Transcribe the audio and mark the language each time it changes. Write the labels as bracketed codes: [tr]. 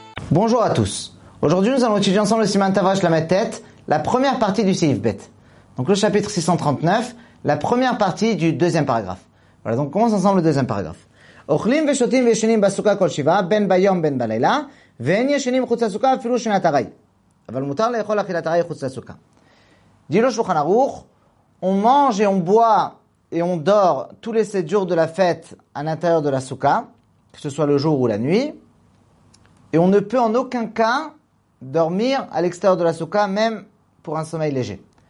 [fr] Bonjour à tous. Aujourd'hui, nous allons étudier ensemble le Siman Tavrash Lamed Tet, la première partie du Seif Bet. Donc le chapitre 639, la première partie du deuxième paragraphe. Voilà, donc on commence ensemble le deuxième paragraphe. [he] אוכלים ושותים וישנים בסוכה כל שבעה, בין ביום בין בלילה, ואין ישנים חוץ לסוכה אפילו שנת ארעי. אבל מותר לאכול אכילת ארעי חוץ לסוכה. [fr] דילו שולחן ערוך, on mange et on boit et on dort tous les 7 jours de la fête à l'intérieur de la soukha, que ce soit le jour ou la nuit, et on ne peut en aucun cas dormir à l'extérieur de la soukha, même pour un sommeil léger.